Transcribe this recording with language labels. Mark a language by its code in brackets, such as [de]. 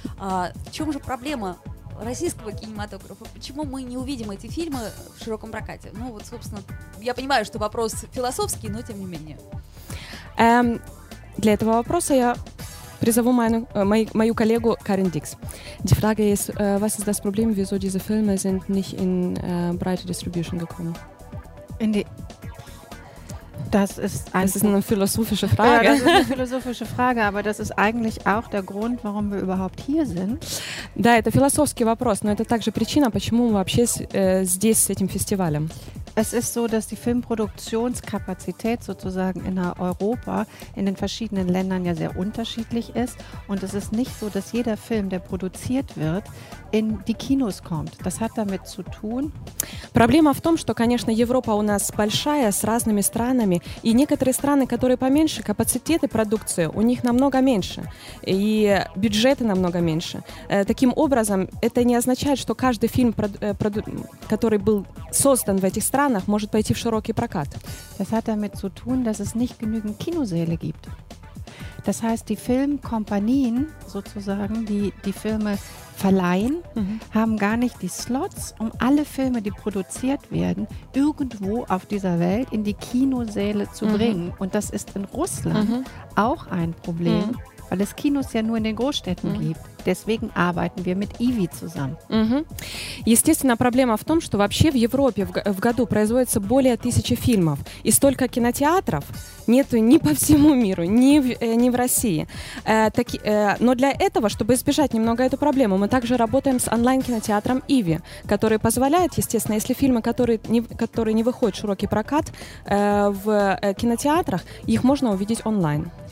[ru] А в чем же проблема российского кинематографа? Почему мы не увидим эти фильмы в широком прокате? Ну вот, собственно, я понимаю, что вопрос философский, но тем не менее. Для этого вопроса я призову мою коллегу Карен Дикс. [de] Die Frage ist, was ist das Problem, wieso diese Filme sind nicht in breite Distribution gekommen? Das ist eine philosophische Frage. Ja, das ist eine philosophische Frage, aber das ist eigentlich auch der Grund, warum wir überhaupt hier sind. [ru] Да, это философский вопрос, но это также причина, почему мы вообще здесь с этим фестивалем. [de] Es ist so, dass die Filmproduktionskapazität sozusagen in Europa in den verschiedenen Ländern ja sehr unterschiedlich ist und es ist nicht so, dass jeder Film, der produziert wird, in die Kinos kommt. Das hat damit zu tun. [ru] Проблема в том, что, конечно, Европа у нас большая с разными странами, и некоторые страны, которые поменьше, капацитеты продукции у них намного меньше, и бюджеты намного меньше. Таким образом, это не означает, что каждый фильм, который был создан в этих странах, может пойти в широкий прокат. [de] Das hat damit zu tun, dass es nicht genügend Kinosäle gibt. Das heißt, die Filmkompanien sozusagen, die Filme verleihen, haben gar nicht die Slots, um alle Filme, die produziert werden, irgendwo auf dieser Welt in die Kinosäle zu bringen. Und das ist in Russland auch ein Problem, weil es Kinos ja nur in den Großstädten gibt. Deswegen arbeiten wir mit IWI zusammen. [ru] Естественно, проблема в том, что вообще в Европе в году производится более 1000 фильмов. И столько кинотеатров нету ни по всему миру, ни в России. Но для этого, чтобы избежать немного эту проблему, мы также работаем с онлайн-кинотеатром IWI, который позволяет, естественно, если фильмы, которые не выходят в широкий прокат в кинотеатрах, их можно увидеть онлайн.